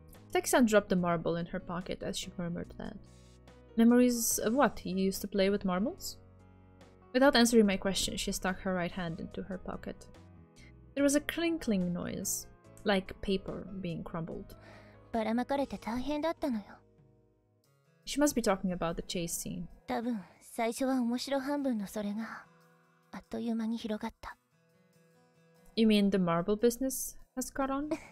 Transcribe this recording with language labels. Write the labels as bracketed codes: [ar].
[en] Teki-san dropped the marble in her pocket as she murmured that. Memories of what? You used to play with marbles? Without answering my question, she stuck her right hand into her pocket. There was a crinkling noise, like paper being crumbled. [ja] ばらまかれて大変だったのよ。 [en] She must be talking about the chase scene. [ja] 多分、最初は面白半分のそれが、あっという間に広がった。 [en] You mean the marble business has caught on?